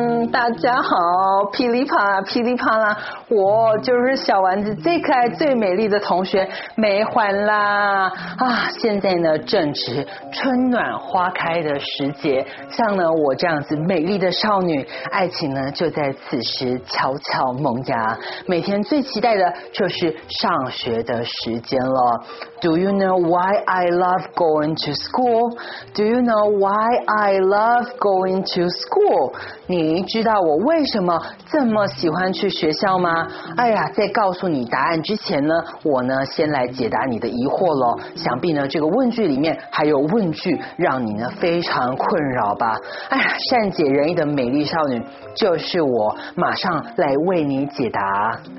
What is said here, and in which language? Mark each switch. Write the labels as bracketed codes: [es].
[zh] 大家好，噼里啪啦噼里啪啦，我就是小丸子最可爱最美丽的同学梅环啦啊！现在呢正值春暖花开的时节，像呢我这样子美丽的少女，爱情呢就在此时悄悄萌芽，每天最期待的就是上学的时间了。 [en] Do you know why I love going to school? Do you know why I love going to school? [zh] 你知道我为什么这么喜欢去学校吗？哎呀，在告诉你答案之前呢，我呢先来解答你的疑惑咯。想必呢这个问句里面还有问句让你呢非常困扰吧。哎呀，善解人意的美丽少女就是我，马上来为你解答。